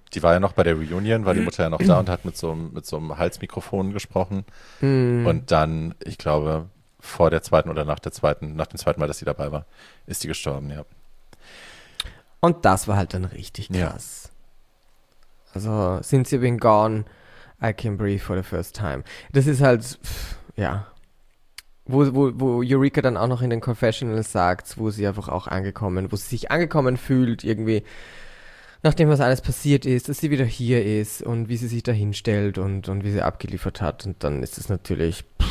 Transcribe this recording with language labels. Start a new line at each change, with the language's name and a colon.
German: Die war ja noch bei der Reunion, war die Mutter ja noch da und hat mit so einem Halsmikrofon gesprochen. Mm. Und dann, ich glaube, vor der zweiten oder nach der zweiten, nach dem zweiten Mal, dass sie dabei war, ist die gestorben, ja. Und das war halt dann richtig krass. Ja.
English: Also, since you've been gone, I can breathe for the first time.
German: Das ist halt, ja. Wo Eureka dann auch noch in den Confessionals sagt, wo sie einfach auch angekommen, wo sie sich angekommen fühlt, irgendwie, nachdem was alles passiert ist, dass sie wieder hier ist und wie sie sich da hinstellt und wie sie abgeliefert hat. Und dann ist es natürlich,